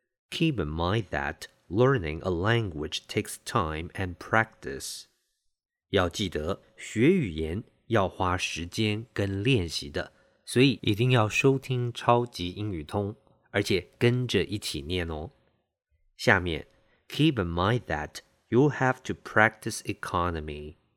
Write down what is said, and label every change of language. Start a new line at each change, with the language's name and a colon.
English: Keep in mind that learning a language takes time and practice.
Chinese: 要记得学语言要花时间跟练习的，所以一定要收听超级英语通，而且跟着一起念哦。
English: 下面 Keep in mind that you have to practice economy.